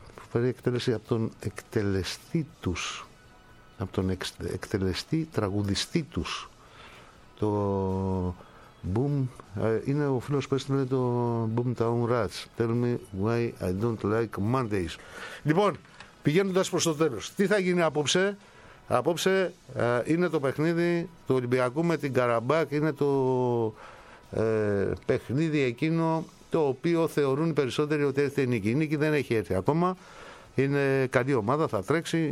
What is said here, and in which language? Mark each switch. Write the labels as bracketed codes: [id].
[el] Φέρει εκτέλεση από τον εκτελεστή τους. Από τον εκτελεστή τραγουδιστή τους. Το Boom, είναι ο φίλος που έστειλε το Boomtown Rats. [en] Tell me why I don't like Mondays. [el] Λοιπόν, πηγαίνοντας προς το τέλος, τι θα γίνει απόψε? Απόψε είναι το παιχνίδι του Ολυμπιακού με την Καραμπάκ. Είναι το παιχνίδι εκείνο το οποίο θεωρούν οι περισσότεροι ότι έρθει η νίκη. Η νίκη δεν έχει έρθει ακόμα. Είναι καλή ομάδα, θα τρέξει.